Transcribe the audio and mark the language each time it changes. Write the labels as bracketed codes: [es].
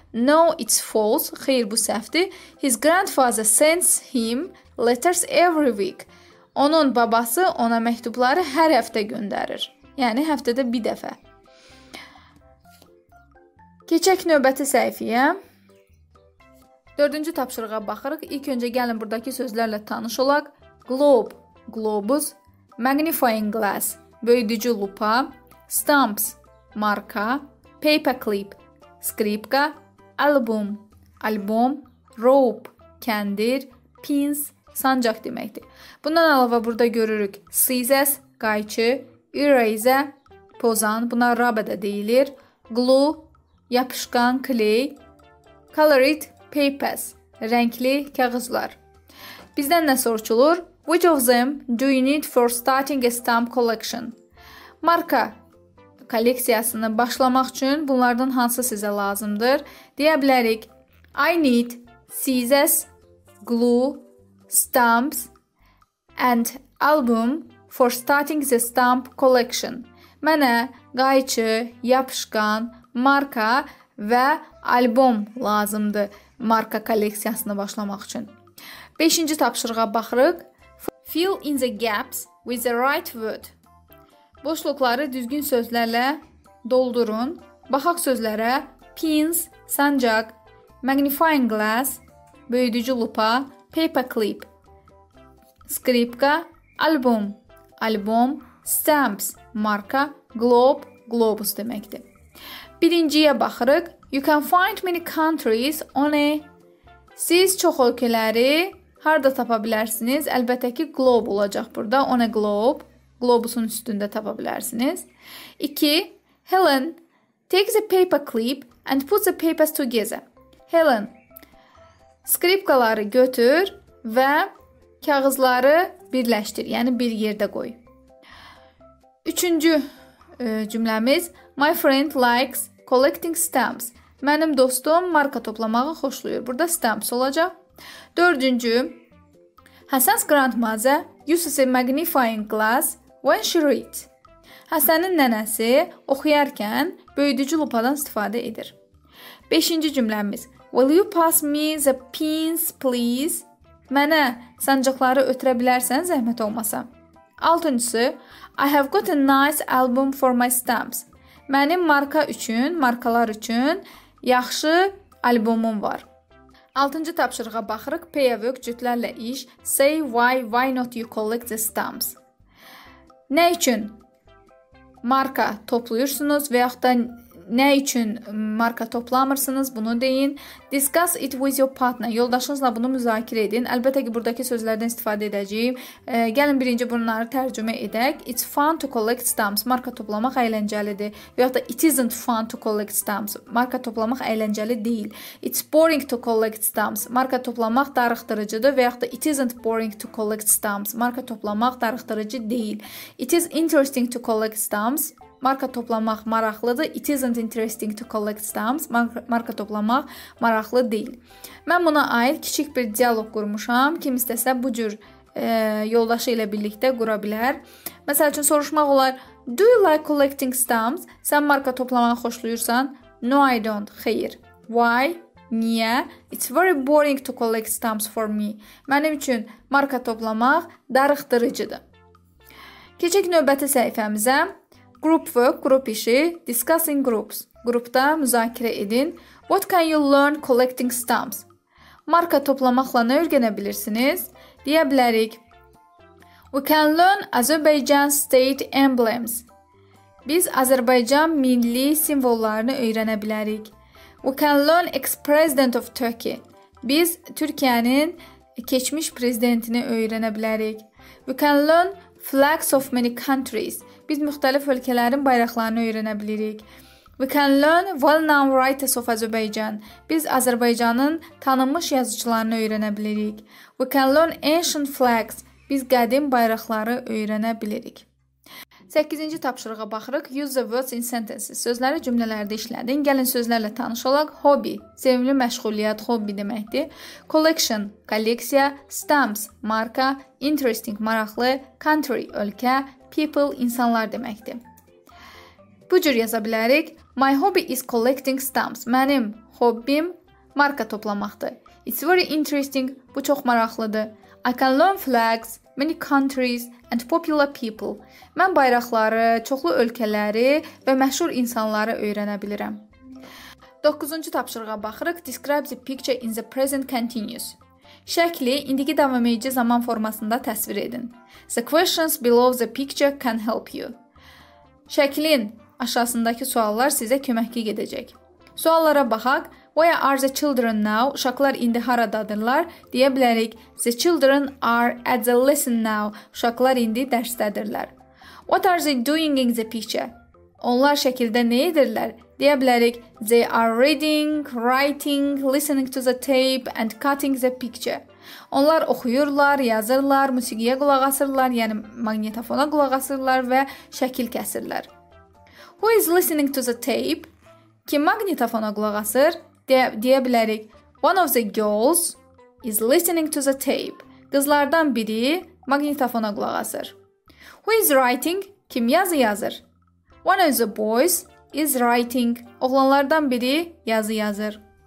[en] No, it's false. [az] Xeyr, bu səhvdir. [en] His grandfather sends him letters every week. [az] Onun babası ona məktubları hər həftə göndərir. Yəni, həftədə bir dəfə. Keçək növbəti səhifiyə. Dördüncü tapşırığa baxırıq. İlk öncə gəlin buradakı sözlərlə tanış olaq. Globe, globus. Magnifying glass, böyüdücü lupa. Stamps, marka. Paperclip, skripka. Album, albom. Rope, kəndir. Pins, sancaq deməkdir. Bundan əlavə burada görürük scissors, qayçı. Eraser, pozan. Buna rubber də deyilir. Glue, yapışqan, clay. Colored papers, rəngli kağızlar. Bizdən nə soruşulur? [en] Which of them do you need for starting a stamp collection? [az] Marka kolleksiyasını başlamaq üçün bunlardan hansı sizə lazımdır? Deyə bilərik. [en] I need scissors, glue, stamps and album for starting the stamp collection. [az] Mənə qayçı, yapışqan, marka və albom lazımdır marka kolleksiyasını başlamaq üçün. 5-ci tapşırığa baxırıq. [en] Fill in the gaps with the right word. [az] Boşluqları düzgün sözlərlə doldurun. Baxaq sözlərə. Pins, sancaq, magnifying glass, büyüdücü lupa, paperclip, skripka, album, album, stamps, marka, globe, globus deməkdir. Birinciyə baxırıq. [en] You can find many countries on a... [az] Siz çox ölkələri harada tapa bilərsiniz? Əlbəttə ki, globe olacaq burada. [en] On a globe. [az] Globusun üstündə tapa bilərsiniz. 2. [en] Helen takes a paper clip and puts the papers together. [az] Helen, skripkaları götür və kağızları birləşdir. Yəni, bir yerdə qoy. Üçüncü cümləmiz. [en] My friend likes collecting stamps. [az] Mənim dostum marka toplamağı xoşlayır. Burada stamps olacaq. Dördüncü. [en] Həsən's grandmother uses a magnifying glass when she reads. [az] Həsənin nənəsi oxuyarkən büyüdücü lupadan istifadə edir. Beşinci cümləmiz. [en] Will you pass me the pins, please? [az] Mənə sancaqları ötürə bilərsən, zəhmət olmasa. Altıncısı. [en] I have got a nice album for my stamps. [az] Mənim markalar üçün yaxşı albumum var. Altıncı tapşırığa baxırıq. Pay a work cütlərlə iş. [en] Say why not you collect the stamps? [az] Nə üçün marka topluyorsunuz və yaxud da nə üçün marka toplamırsınız, bunu deyin. [en] Discuss it with your partner. [az] Yoldaşınızla bunu müzakirə edin. Əlbəttə ki, buradakı sözlərdən istifadə edəcəyim. Gəlin birinci bunları tərcümə edək. [en] It's fun to collect stamps. [az] Marka toplamaq əyləncəlidir. Və yaxud da [en] it isn't fun to collect stamps. [az] Marka toplamaq əyləncəli deyil. [en] It's boring to collect stamps. [az] Marka toplamaq darıxdırıcıdır. Və yaxud da [en] it isn't boring to collect stamps. [az] Marka toplamaq darıxdırıcı deyil. [en] It is interesting to collect stamps. [az] Marka toplamaq maraqlıdır. [en] It isn't interesting to collect stamps. [az] Marka toplamaq maraqlı deyil. Mən buna aid kiçik bir dialoq qurmuşam. Kim istəsə bu cür yoldaşı ilə birlikdə qura bilər. Məsəl üçün soruşmaq olar, [en] do you like collecting stamps? [az] Sən marka toplamağı xoşlayırsan? [en] No, I don't. [az] Xeyr. [en] Why? [az] Niyə? [en] It's very boring to collect stamps for me. [az] Mənim üçün marka toplamaq darıxdırıcıdır. Keçək növbəti səhifəmizə. Group work, grup işi, [en] discuss in groups. [az] Qrupda müzakirə edin. [en] What can you learn collecting stamps? [az] Marka toplamaqla nə öyrənə bilirsiniz? Deyə bilərik. [en] We can learn Azerbaijan state emblems. [az] Biz Azərbaycan milli simvollarını öyrənə bilərik. [en] We can learn ex-president of Turkey. [az] Biz Türkiyənin keçmiş prezidentini öyrənə bilərik. [en] We can learn flags of many countries. [az] Biz müxtəlif ölkələrin bayraqlarını öyrənə bilirik. [en] We can learn well-known writers of Azerbaijan. [az] Biz Azərbaycanın tanınmış yazıcılarını öyrənə bilirik. [en] We can learn ancient flags. [az] Biz qədim bayraqları öyrənə bilirik. 8-ci tapşırığa baxırıq. [en] Use the words in sentences. [az] Sözləri cümlələrdə işlədin. Gəlin sözlərlə tanış olaq. Hobby. Sevimli məşğuliyyət, hobby deməkdir. Collection. Kolleksiya. Stamps. Marka. Interesting. Maraqlı. Country. Ölkə. People. İnsanlar deməkdir. Bu cür yaza bilərik. [en] My hobby is collecting stamps. [az] Mənim hobbim marka toplamaqdır. [en] It's very interesting. [az] Bu çox maraqlıdır. [en] I can learn flags. Many countries and popular people. [az] Mən bayraqları, çoxlu ölkələri və məşhur insanları öyrənə bilirəm. 9-cu tapşırığa baxırıq. [en] Describe the picture in the present continuous. [az] Şəkli indiki davamayıcı zaman formasında təsvir edin. [en] The questions below the picture can help you. [az] Şəklin aşağısındakı suallar sizə köməkli gedəcək. Suallara baxaq. [en] Where are the children now? [az] Uşaqlar indi haradadırlar? Deyə bilərik. [en] The children are at the lesson now. [az] Uşaqlar indi dərsdədirlər. [en] What are they doing in the picture? [az] Onlar şəkildə nə edirlər? Deyə bilərik. [en] They are reading, writing, listening to the tape and cutting the picture. [az] Onlar oxuyurlar, yazırlar, musiqiyə qulaq asırlar, yəni magnetofona qulaq asırlar və şəkil kəsirlər. [en] Who is listening to the tape? [az] Kim magnetofona qulaq asır? Deyə bilərik, [en] one of the girls is listening to the tape. [az] Qızlardan biri magnetofona qulaq asır. [en] Who is writing? [az] Kim yazı yazır? [en] One of the boys is writing. [az] Oğlanlardan biri yazı yazır.